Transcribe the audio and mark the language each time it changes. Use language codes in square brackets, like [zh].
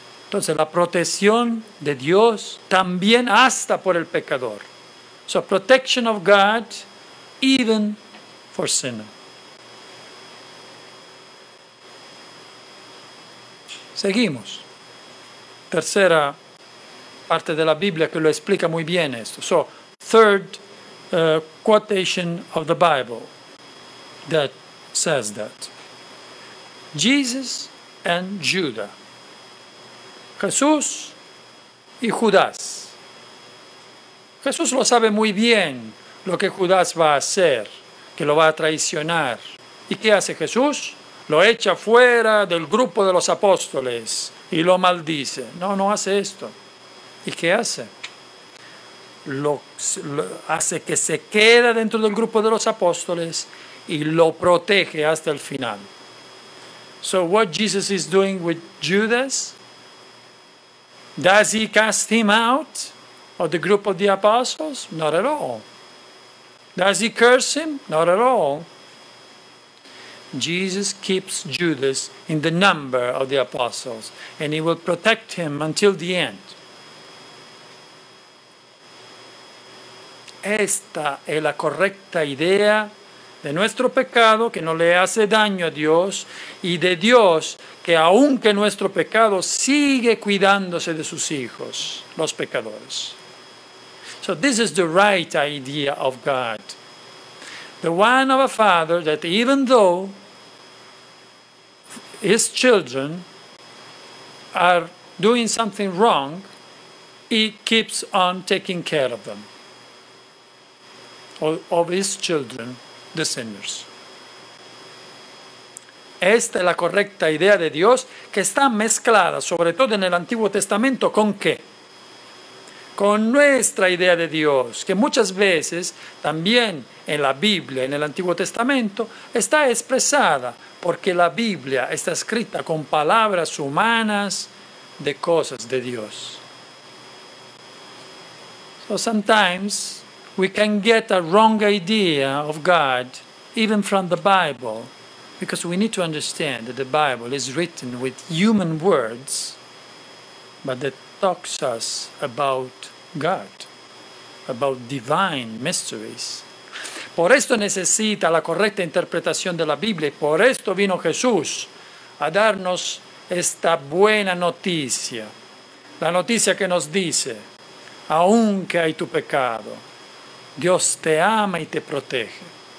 [es] Entonces, la protección de Dios también hasta por el pecador. [en] So, protection of God even for sinner. [es] Seguimos. Tercera parte de la Biblia que lo explica muy bien esto. [en] So, third quotation of the Bible that says that. Jesus and Judah. Jesús y Judas. [es] Jesús lo sabe muy bien lo que Judas va a hacer, que lo va a traicionar. ¿Y qué hace Jesús? Lo echa fuera del grupo de los apóstoles y lo maldice. No hace esto. ¿Y qué hace? Lo hace que se queda dentro del grupo de los apóstoles y lo protege hasta el final. [en] So what Jesus is doing with Judas? Does he cast him out of the group of the apostles? Not at all. Does he curse him? Not at all. Jesus keeps Judas in the number of the apostles, and he will protect him until the end. [es] Esta es la correcta idea de nuestro pecado que no le hace daño a Dios y de Dios que aunque nuestro pecado sigue cuidándose de sus hijos, los pecadores. [en] So this is the right idea of God. The one of a father that even though his children are doing something wrong, he keeps on taking care of them. Of his children, the sinners. [es] Esta es la correcta idea de Dios que está mezclada, sobre todo en el Antiguo Testamento, ¿con qué? con nuestra idea de Dios, que muchas veces también en la Biblia, en el Antiguo Testamento, está expresada, porque la Biblia está escrita con palabras humanas de cosas de Dios. [en] So sometimes we can get a wrong idea of God even from the Bible, because we need to understand that the Bible is written with human words, but that talks us about God, about divine mysteries. [es] Por esto necesita la correcta interpretación de la Biblia, y por esto vino Jesús a darnos esta buena noticia, la noticia que nos dice: aunque hay tu pecado, Dios te ama y te protege.